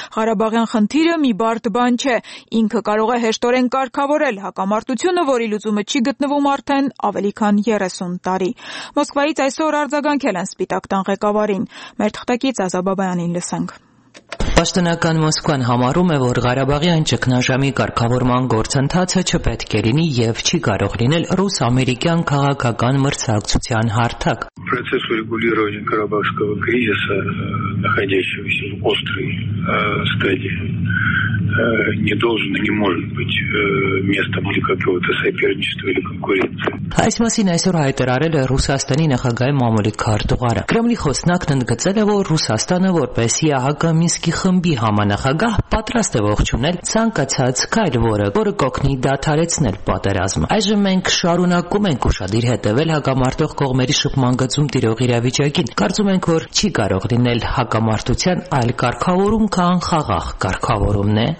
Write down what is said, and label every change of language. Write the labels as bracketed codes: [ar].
[hy] Ղարաբաղյան խնդիրը մի բարդ բան չէ, ինքը կարող է հեշտորեն կարգավորել հակամարտությունը, որի լուծումը չի գտնվում արդեն ավելի քան 30 տարի։ Մոսկվայից այսօր արձագանքել են Սպիտակ տան ղեկավարին։ Մեր թղթակից Ազաբաբայանին լսենք։ Պաշտոնական Մոսկվան համարում է, որ Ղարաբաղի այն ճգնաժամի կարգավորման գործընթացը չպետք է լինի և չի կարող լինել ռուս-ամերիկյան քաղաքական մրցակցության հարթակ։ [ru] Процесс урегулирования Карабахского кризиса, находящегося в острой стадии, не должен и не может быть местом для какого-то соперничества или конкуренции. [hy] Այս մասին այսօր հայտարարել է Ռուսաստանի նախագահ Մամուլի քարտուղարը։ Կրեմլի խոսնակն ընդգծել է, որ Ռուսաստանը որպես ՀԱԿ Մինսկի խմբի համանախագահ պատրաստ է ողջունել ցանկացած կայլ, որը կօգնի դադարեցնել պատերազմը։ Այժմ մենք շարունակում ենք ուշադիր հետևել հակամարտող կողմերի շփման գծում տիրող իրավիճակին։ Կարծում ենք, որ չի կարող լինել հակամարտության այլ կարգավորում, քան խաղաղ կարգավորումն է,